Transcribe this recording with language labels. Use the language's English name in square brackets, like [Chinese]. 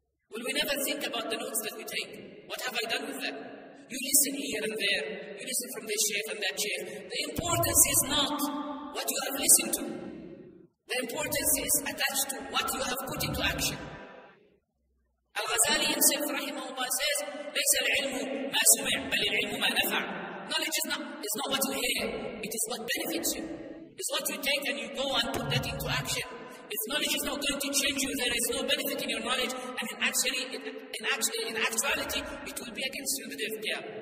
[English] Will we never think about the notes that we take? What have I done with them? You listen here and there. You listen from this chair and that chair. The importance is not what you have listened to. The importance is attached to what you have put into action. Al-Ghazali himself, rahimahullah, says, [Arabic] لَيْسَ الْعِلْمُ مَا سُمِعْ بَلِ الْعِلْمُ مَا نَفَعْ. [English] Knowledge is not what you hear. It is what benefits you. It's what you take and you go and put that into action. If knowledge is not going to change you, there is no benefit in your knowledge, and in actuality, it will be against you. Yeah.